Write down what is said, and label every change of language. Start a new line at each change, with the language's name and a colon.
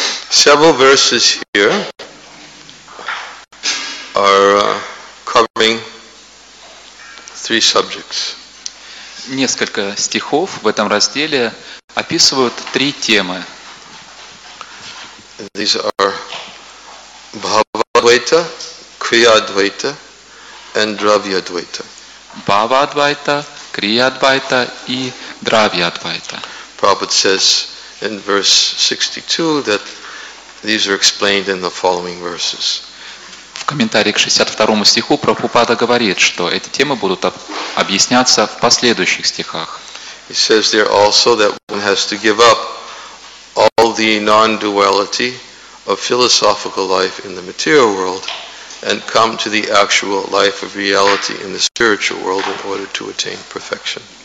English: Several verses here are covering three subjects.
Russian: Несколько стихов в этом разделе описывают три темы.
English: These are Bhava-dvaita, Kriya-dvaita, and Dravya Dvaita.
Russian: Bhava Advaita, Kriya Advaita и Dravya Advaita.
English: Prabhupada says in verse 62 that these are explained in the following verses.
Russian: В комментарии к 62 стиху Прабхупада говорит, что эти темы будут объясняться в последующих стихах.
English: He says there also that one has to give up all the non-duality of philosophical life in the material world and come to the actual life of reality in the spiritual world in order to attain perfection.